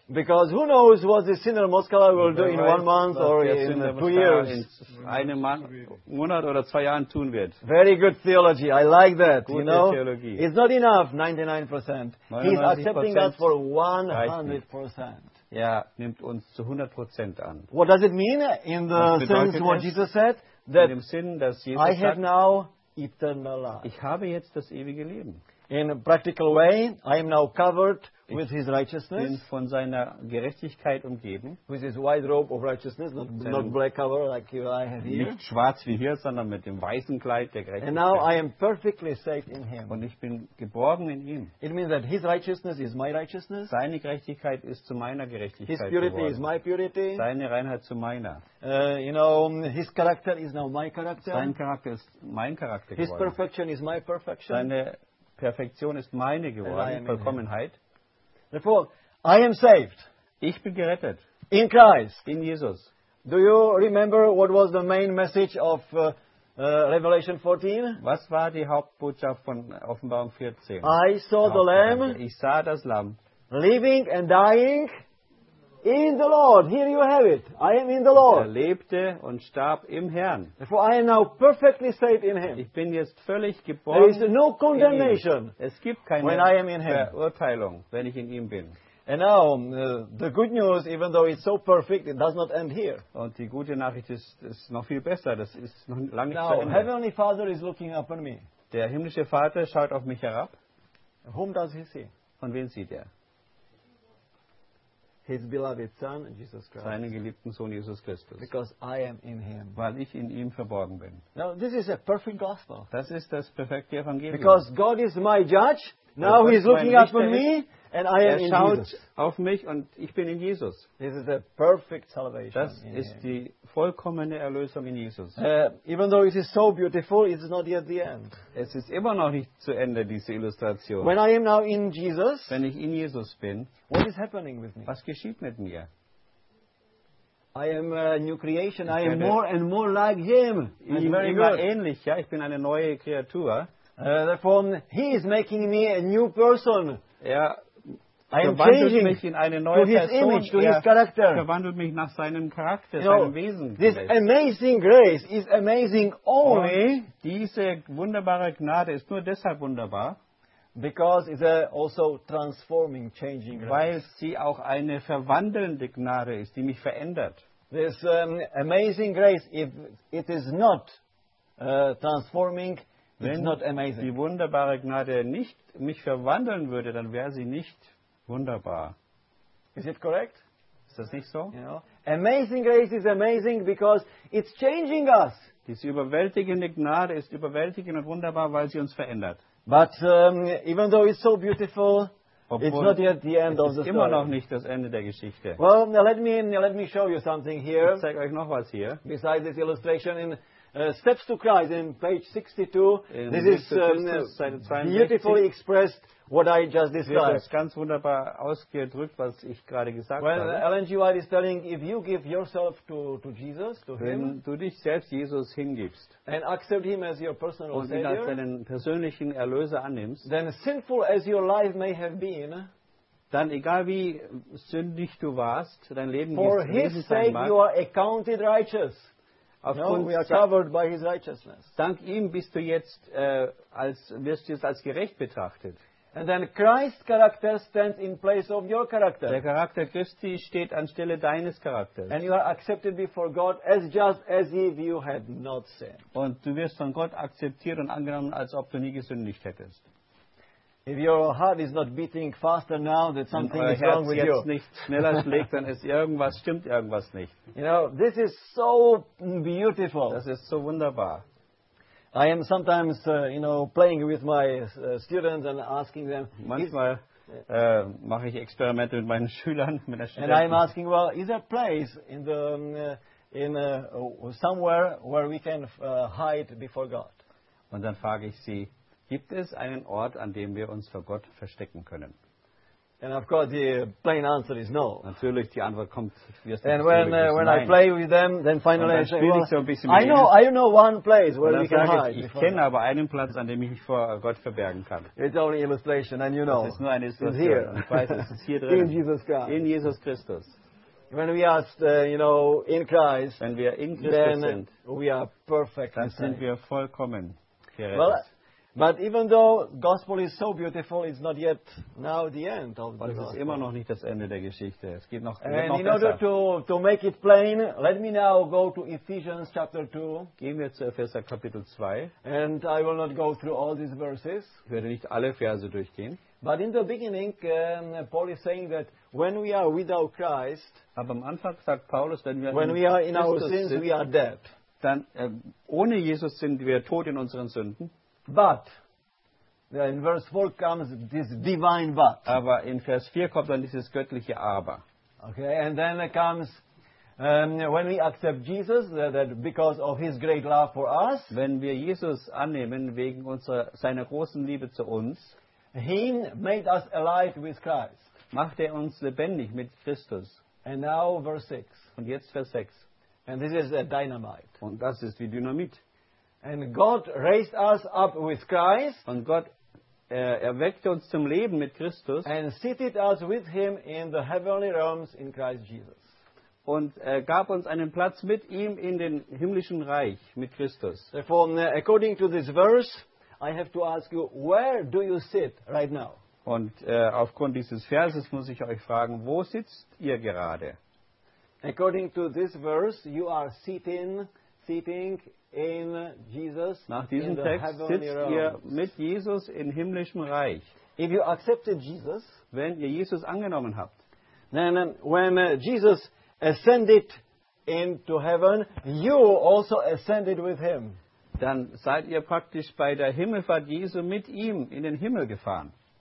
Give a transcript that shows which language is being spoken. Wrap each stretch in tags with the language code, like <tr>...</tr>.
<en>Because who knows what the sinner Moskala will do in 1 month or in 2 years.</en> <de>In einem Monat oder zwei Jahren tun wird.</de> <en>Very good theology. I like that.</en> <de>Gute,</de> <en>you know,</en> <de>Theologie.</de> <en>It's not enough, 99%. He's accepting us for 100%.</en> <de>Er nimmt uns zu 100% an.</de> <en>What does it mean in the sense what Jesus said?</en> <de>That in dem Sinn, dass Jesus</de> <en>I have now eternal life.</en> <de>Ich habe jetzt das ewige Leben.</de> <en>In a practical way, I am now covered with his righteousness.</en> <de>Bin von seiner Gerechtigkeit umgeben.</de> <en>With his white robe of righteousness, not black cover like you I have here.</en> <de>Nicht schwarz wie hier, sondern mit dem weißen Kleid der Gerechtigkeit.</de> <en>And now I am perfectly safe in him.</en> <de>Und ich bin geborgen in ihm.</de> <en>It means that his righteousness is my righteousness.</en> <de>Seine Gerechtigkeit ist zu meiner Gerechtigkeit geworden.</de> <en>His purity is my purity.</en> <de>Seine Reinheit zu meiner.</de> <en>You know, his character is now my character.</en> <de>Sein Charakter ist mein Charakter geworden.</de> <en>His perfection is my perfection.</en> <de>Seine Perfektion ist meine geworden, Vollkommenheit.</de> <en>Therefore, I am saved.</en> <de>Ich bin gerettet.</de> <en>In Christ.</en> <de>In Jesus.</de> <en>Do you remember what was the main message of Revelation 14?</en> <de>Was war die Hauptbotschaft von Offenbarung 14?</de> <en>I saw the Lamb.</en> <de>Ich sah das Lamm.</de> <en>Living and dying in the Lord. Here you have it. I am in the Lord.</en> <de>Er lebte und starb im Herrn.</de> <en>Therefore, I am now perfectly saved in him.</en> <de>Ich bin jetzt völlig geboren.</de> <en>There is no condemnation.</en> <de>Es gibt keine</de> <en>when I am in him.</en> <de>Verurteilung, wenn ich in ihm bin.</de> <en>And now, the good news, even though it's so perfect, it does not end here.</en> <de>Und die gute Nachricht ist noch viel besser. Das ist noch lange nicht zu Ende.</de> <en>Now, Heavenly Father is looking up on me.</en> <de>Der himmlische Vater schaut auf mich herab.</de> <en>Whom does he see?</en> <de>Von wem sieht er?</de> <en>His beloved Son, Jesus Christ.</en> <de>Seinen geliebten Sohn Jesus Christus.</de> <en>Because I am in him.</en> <de>Weil ich in ihm verborgen bin.</de> <en>Now, this is a perfect gospel.</en> <de>Das ist das perfekte Evangelium.</de> <en>Because God is my judge. Now he's looking up on me. And I am in Jesus.</en> <de>Auf mich und ich bin in Jesus.</de> <en>This is a perfect salvation.</en> <de>Das ist die vollkommene Erlösung in Jesus.</de> <en>Even though it is so beautiful, it is not yet the end.</en> <de>Es ist immer noch nicht zu Ende, diese Illustration.</de> <en>When I am now in Jesus,</en> <de>wenn ich in Jesus bin,</de> <en>what is happening with me?</en> <de>Was geschieht mit mir?</de> <en>I am a new creation. I am more and more like him.</en> <de>Ich bin eine neue Kreatur.</de> <en>Therefore, he is making me a new person.</en> <de>Ja.</de> <en>I am changing</en> <de>mich in eine neue</de> <en>to his</en> <de>Person.</de> <en>Image, to his character.</en> <de>Verwandelt mich nach seinem Charakter,</de> <en>you know,</en> <de>seinem Wesen.</de> <en>This amazing grace is amazing only.</en> <de>Diese wunderbare Gnade ist nur deshalb wunderbar,</de> <en>because it's a also transforming, changing grace.</en> <de>Weil sie auch eine verwandelnde Gnade ist, die mich verändert.</de> <en>This amazing grace, if it is not transforming,</en> <de>wenn</de> <en>it's not amazing.</en> <de>Die wunderbare Gnade nicht mich verwandeln würde, dann wäre sie nicht wunderbar.</de> <en>Is it correct?</en> <de>Ist das nicht so?</de> <en>You know? Amazing grace is amazing because it's changing us.</en> <de>Diese überwältigende Gnade ist überwältigend und wunderbar, weil sie uns verändert.</de> <en>But even though it's so beautiful,</en> <de>obwohl</de> <en>it's not yet the end of the story.</en> <de>Immer noch nicht das Ende der Geschichte.</de> <en>Well, now let me show you something here.</en> <de>Ich zeige euch noch was hier.</de> <en>Besides this illustration in Steps to Christ in page 62.</en> <de>In</de> <en>this is beautifully expressed what I just described.</en> <de>Das ist ganz wunderbar ausgedrückt, was ich gerade gesagt</de> <en>well,</en> <de>habe.</de> <en>Ellen G. White is telling, if you give yourself to Jesus, to</en> <de>wenn</de> <en>him,</en> <de>du dich selbst Jesus hingibst,</de> <en>and accept him as your personal</en> <de>und</de> <en>Savior,</en> <de>ihn als deinen persönlichen Erlöser annimmst,</de> <en>then sinful as your life may have been,</en> <de>dann egal wie sündig du warst, dein Leben</de> <en>for his sake</en> <de>mag,</de> <en>you are accounted righteous.</en> <de>Aufgrund</de> <en>no, we are covered by his righteousness.</en> <de>Dank ihm bist du jetzt wirst du jetzt als gerecht betrachtet.</de> <en>And then Christ's character stands in place of your character.</en> <de>Der Charakter Christi steht anstelle deines Charakters.</de> <en>And you are accepted before God as just as if you had not sinned.</en> <de>Und du wirst von Gott akzeptiert und angenommen, als ob du nie gesündigt hättest.</de> <en>If your heart is not beating faster now, that something is wrong with you.</en> <de>Wenn euer Herz jetzt nicht schneller schlägt, dann ist irgendwas stimmt irgendwas nicht.</de> <en>You know, this is so beautiful.</en> <de>Das ist so wunderbar.</de> <en>I am sometimes, you know, playing with my students and asking them.</en> <de>Manchmal mache ich Experimente mit meinen Schülern, mit der Studenten.</de> <en>And I'm asking, well, is there a place in the somewhere where we can hide before God?</en> <de>Und dann frage ich sie. Gibt es einen Ort, an dem wir uns vor Gott verstecken können?</de> <en>And of course, the plain answer is no.</en> <de>Natürlich, die Antwort kommt.</de> <en>And when I play with them, then finally I say, well,</en> <de>so</de> <en>I know one place where we can hide.</en> <de>Ich kenne aber einen Platz, an dem ich mich vor Gott verbergen kann.</de> <en>It's only illustration, and you know.</en> <de>Es ist nur eine Illustration.</de> <en>Here.</en> <de>Weiß, hier drin.</de> <en>In Jesus Christ.</en> <de>In Jesus Christus.</de> <en>When we ask, you know, in Christ,</en> <de>wenn wir in Christus sind,</de> <en>we are perfect.</en> <de>Dann sind wir vollkommen.</de> <en>Well, but even though gospel is so beautiful, it's not yet now the end of the gospel.</en> <de>Es ist immer noch nicht das Ende der Geschichte. Es geht noch,</de> <en>and</en> <de>noch</de> <en>in</en> <de>besser.</de> <en>Order to make it plain, let me now go to Ephesians chapter 2.</en> <de>Gehen wir zu Epheser Kapitel 2.</de> <en>And I will not go through all these verses.</en> <de>Ich werde nicht alle Verse durchgehen.</de> <en>But in the beginning, Paul is saying that when we are without Christ,</en> <de>aber am Anfang sagt Paulus, wenn wir</de> <en>when we are in our sins,</en> <de>sind,</de> <en>we are dead.</en> <de>Dann ohne Jesus sind wir tot in unseren Sünden.</de> <en>But in verse 4 comes this divine but.</en> <de>Aber in Vers 4 kommt dann dieses göttliche Aber.</de> <en>Okay, and then it comes when we accept Jesus, that because of His great love for us.</en> <de>Wenn wir Jesus annehmen wegen seiner großen Liebe zu uns.</de> <en>He made us alive with Christ.</en> <de>Macht uns lebendig mit Christus.</de> <en>And now verse 6.</en> <de>Und jetzt Vers 6.</de> <en>And this is a dynamite.</en> <de>Und das ist wie Dynamit.</de> <en>And God raised us up with Christ.</en> <de>Und Gott erweckte uns zum Leben mit Christus.</de> <en>And seated us with Him in the heavenly realms in Christ Jesus.</en> <de>Und gab uns einen Platz mit ihm in den himmlischen Reich mit Christus.</de> <en>Therefore, according to this verse, I have to ask you, where do you sit right now?</en> <de>Und aufgrund dieses Verses muss ich euch fragen, wo sitzt ihr gerade?</de> <en>According to this verse, you are sitting in Jesus.</en> <de>Nach diesem Text sitzt ihr mit Jesus im himmlischen Reich.</de> <en>If you accepted Jesus,</en> <de>wenn ihr Jesus angenommen habt,</de> <en>then when Jesus ascended into heaven, you also ascended with him.</en> <de>Dann seid ihr praktisch bei der Himmelfahrt Jesu mit ihm in den Himmel gefahren.</de>